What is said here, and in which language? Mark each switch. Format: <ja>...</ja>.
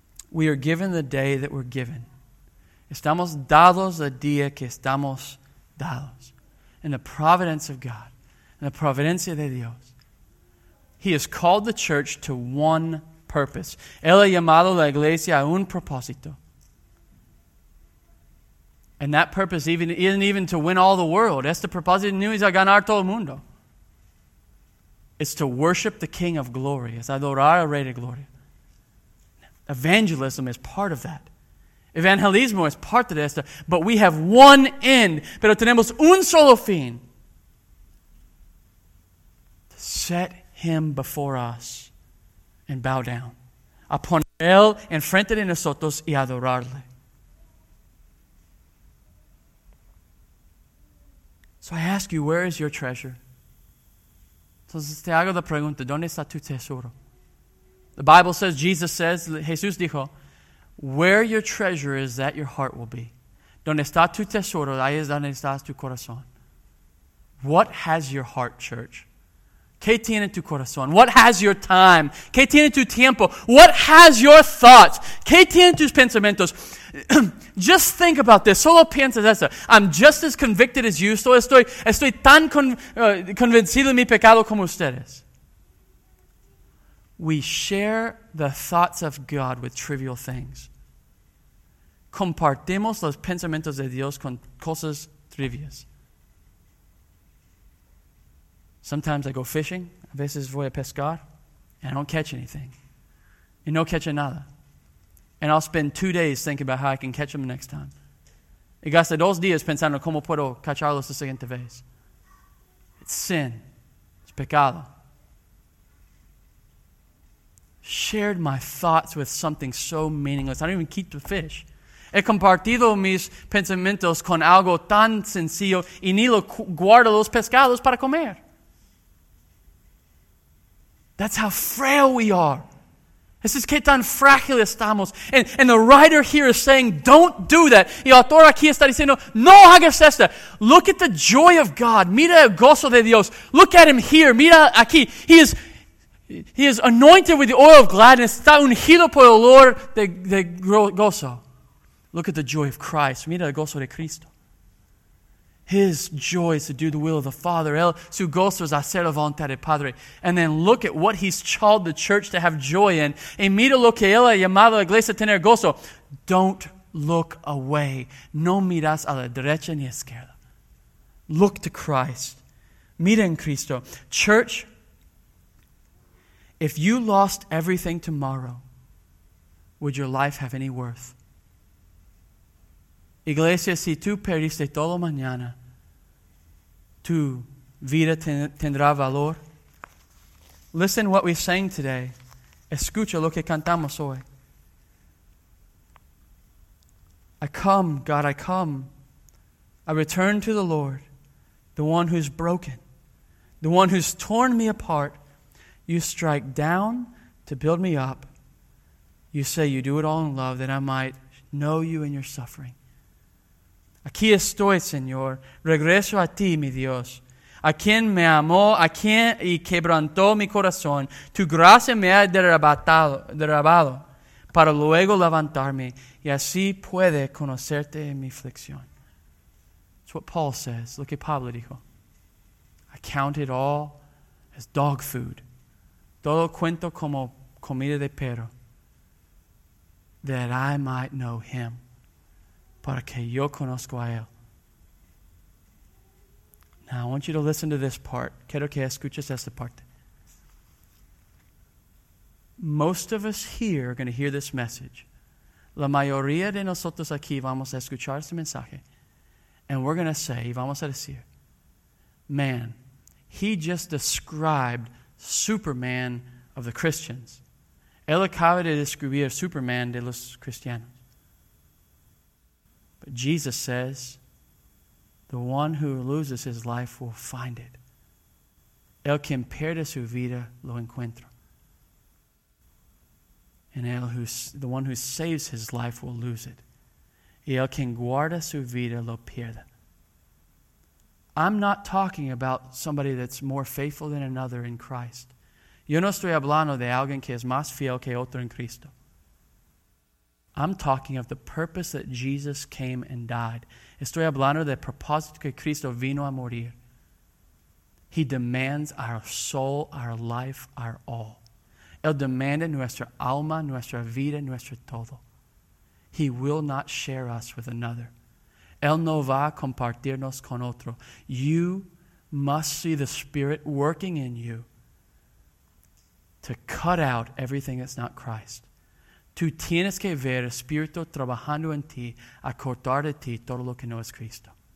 <en>We are given the day that we're given.</en> <es>Estamos dados el día que estamos dados.</es> <en>In the providence of God. In the</en> <es>providencia de Dios.</es> <en>He has called the church to one purpose.</en> <es>Él ha llamado la iglesia a un propósito.</es> <en>And that purpose even isn't even to win all the world.</en> <es>Este propósito no es a ganar todo el mundo.</es> <en>It's to worship the King of Glory.</en> <es>Es adorar al Rey de Gloria.</es> <en>Evangelism is part of that.</en> <es>Evangelismo es parte de esto.</es> <en>But we have one end.</en> <es>Pero tenemos un solo fin.</es> <en>To set him before us and bow down.</en> <es>A poner él enfrente de nosotros y adorarle.</es> <en>So I ask you, where is your treasure?</en> <es>Entonces te hago la pregunta, ¿dónde está tu tesoro?</es> <en>The Bible says, Jesus says,</en> <es>Jesús dijo,</es> <en>where your treasure is, that your heart will be.</en> <es>Donde está tu tesoro, ahí es donde está tu corazón.</es> <en>What has your heart, church?</en> <es>¿Qué tiene tu corazón?</es> <en>What has your time?</en> <es>¿Qué tiene tu tiempo?</es> <en>What has your thoughts?</en> <es>¿Qué tiene tus pensamientos?</es> <en>Just think about this.</en> <es>Solo piensas eso.</es> <en>I'm just as convicted as you.</en> <es>Estoy tan convencido de mi pecado como ustedes.</es> <en>We share the thoughts of God with trivial things.</en> <es>Compartimos los pensamientos de Dios con cosas trivias.</es> <en>Sometimes I go fishing.</en> <es>A veces voy a pescar.</es> <en>And I don't catch anything.</en> <es>Y no catch nada.</es> <en>And I'll spend 2 days thinking about how I can catch them next time.</en> <es>Y gasto 2 días pensando cómo puedo cacharlos la siguiente vez.</es> <en>It's sin. It's pecado. Shared my thoughts with something so meaningless. I don't even keep the fish.</en> <es>He compartido mis pensamientos con algo tan sencillo y ni lo guardo los pescados para comer.</es> <en>That's how frail we are. This is</en> <es>qué tan frágil estamos.</es> <en>And the writer here is saying, don't do that.</en> <es>Y el autor aquí está diciendo, no hagas esto.</es> <en>Look at the joy of God.</en> <es>Mira el gozo de Dios.</es> <en>Look at him here.</en> <es>Mira aquí.</es> <en>He is anointed with the oil of gladness.</en> <es>Está ungido por el olor de gozo.</es> <en>Look at the joy of Christ.</en> <es>Mira el gozo de Cristo.</es> <en>His joy is to do the will of the Father.</en> <es>Él, su gozo es hacer la voluntad del Padre.</es> <en>And then look at what he's called the church to have joy in.</en> <es>Y mira lo que él ha llamado a la iglesia a tener gozo.</es> <en>Don't look away.</en> <es>No miras a la derecha ni a la izquierda.</es> <en>Look to Christ.</en> <es>Mira en Cristo.</es> <en>Church, if you lost everything tomorrow, would your life have any worth?</en> <es>Iglesia, si tú perdiste todo mañana, ¿tu vida tendrá valor?</es> <en>Listen what we sang today.</en> <es>Escucha lo que cantamos hoy.</es> <en>I come, God, I come. I return to the Lord. the one who's broken, the one who's torn me apart. You strike down to build me up. You say you do it all in love that I might know you in your suffering.</en> <es>Aquí estoy, Señor. Regreso a ti, mi Dios. A quien me amó, a quien y quebrantó mi corazón. Tu gracia me ha derrabado para luego levantarme y así puede conocerte en mi aflicción.</es> <en>That's what Paul says. Look at</en> <es>Pablo dijo.</es> <en>I count it all as dog food.</en> <es>Todo cuento como comida de perro.</es> <en>That I might know him.</en> <es>Para que yo conozco a él.</es> <en>Now I want you to listen to this part.</en> <es>Quiero que escuches esta parte.</es> <en>Most of us here are going to hear this message.</en> <es>La mayoría de nosotros aquí vamos a escuchar este mensaje.</es> <en>And we're going to say,</en> <es>vamos a decir,</es> <en>man, he just described Superman of the Christians.</en> <es>Él acaba de describir Superman de los cristianos.</es> <en>But Jesus says, the one who loses his life will find it.</en> <es>El quien pierde su vida lo encuentra.</es> <en>And the one who saves his life will lose it.</en> <es>Y el quien guarda su vida lo pierde.</es> <en>I'm not talking about somebody that's more faithful than another in Christ.</en> <es>Yo no estoy hablando de alguien que es más fiel que otro en Cristo.</es> <en>I'm talking of the purpose that Jesus came and died.</en> <es>Estoy hablando del propósito que Cristo vino a morir.</es> <en>He demands our soul, our life, our all.</en> <es>Él demanda nuestra alma, nuestra vida, nuestro todo.</es> <en>He will not share us with another.</en> <es>Él no va a compartirnos con otro.</es> <en>You must see the Spirit working in you to cut out everything that's not Christ.</en> <es>Tú tienes que ver el Espíritu trabajando en ti a cortar de ti todo lo que no es Cristo.</es>